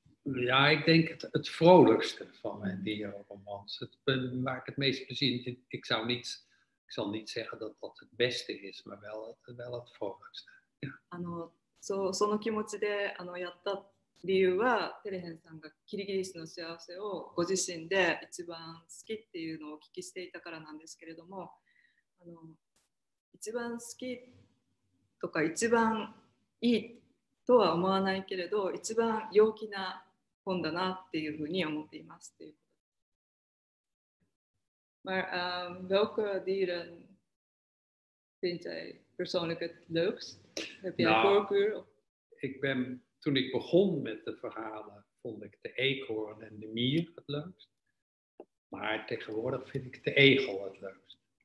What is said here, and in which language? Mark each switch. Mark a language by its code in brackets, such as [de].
[nl] Ja, ik denk het vrolijkste van mijn dierenromans. Het maakt het meest plezier. Ik zal niet zeggen dat het beste is, maar wel het vrolijkste. Ja. Zo'n [ja] 気持ちでやった理由はテレヘンさんがキリギリスの幸せをご自身で一番好きっていうのをお聞きしていたからなんですけれども一番好きとか一番いいとは思わないけれど一番陽気な本だなっていうふうに思っていますっていうこと。 [nl] Maar welke dieren vind jij persoonlijk het leukst? Heb jij voorkeur? Toen ik begon met de verhalen, vond ik de eekhoorn en de mier het leukst. Maar tegenwoordig vind ik de egel het leukst.